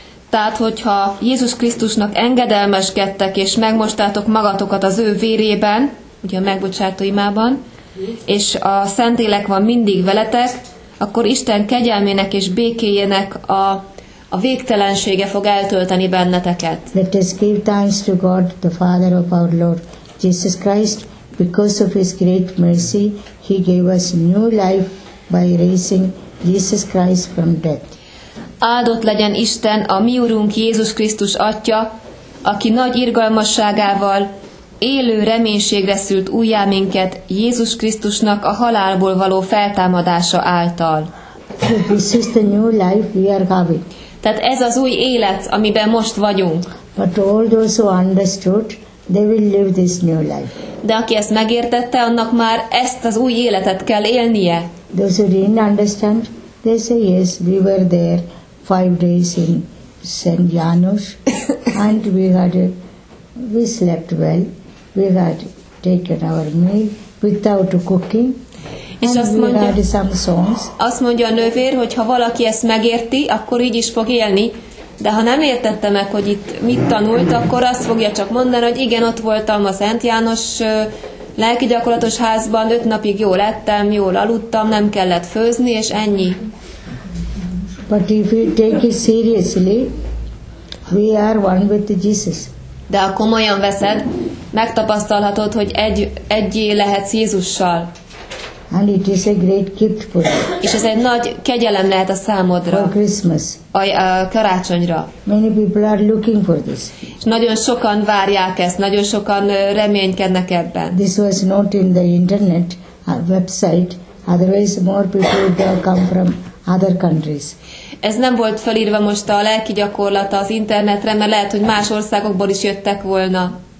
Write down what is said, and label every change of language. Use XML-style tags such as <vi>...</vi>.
<hu>Tehát, hogyha Jézus Krisztusnak engedelmeskedtek, és megmostátok magatokat az ő vérében, ugye a megbocsátó imában, és a Szentlélek van mindig veletek, akkor Isten kegyelmének és békéjének a végtelensége fog eltölteni benneteket.</hu> <en>Let us give thanks to God, the Father of our Lord Jesus Christ, because of his great mercy, he gave us new life by raising Jesus Christ from death.</en> <hu>Áldott legyen Isten, a mi Urunk Jézus Krisztus Atya, aki nagy irgalmasságával élő reménységre szült újjá minket Jézus Krisztusnak a halálból való feltámadása által.</hu> <en>This is the new life we are having.</en> <hu>Tehát ez az új élet, amiben most vagyunk.</hu> <en>But all those who understood, they will live this new life.</en> <hu>De aki ezt megértette, annak már ezt az új életet kell élnie.</hu> <en>Those who didn't understand, they say yes, we were there. 5 days in St. Janos, and we slept well, we had taken our meal without cooking,</en> <hu>és</hu> <en>and we</en> <hu>mondja,</hu> <en>had some songs.</en> <hu>Azt mondja a nővér, hogy ha valaki ezt megérti, akkor így is fog élni, de ha nem értette meg, hogy itt mit tanult, akkor azt fogja csak mondani, hogy igen, ott voltam a Szent János lelki gyakorlatos házban, 5 napig jól ettem, jól aludtam, nem kellett főzni, és ennyi.</hu> <en>But if we take it seriously, we are one with Jesus.</en> <hu>De ha komolyan veszed, megtapasztalhatod, hogy egyé lehetsz Jézussal.</hu> <en>And it is a great gift for you.</en> <hu>És ez egy nagy kegyelem lehet a számodra.</hu> <en>For Christmas.</en> <hu>A karácsonyra.</hu> <en>Many people are looking for this.</en> <hu>És nagyon sokan várják ezt, nagyon sokan reménykednek ebben.</hu> <en>This was not in the internet website, otherwise more people would have come from other countries.</en> <hu>Ez nem volt felírva most a lelki gyakorlata az internetre, mert lehet, hogy más országokból is jöttek volna.</hu>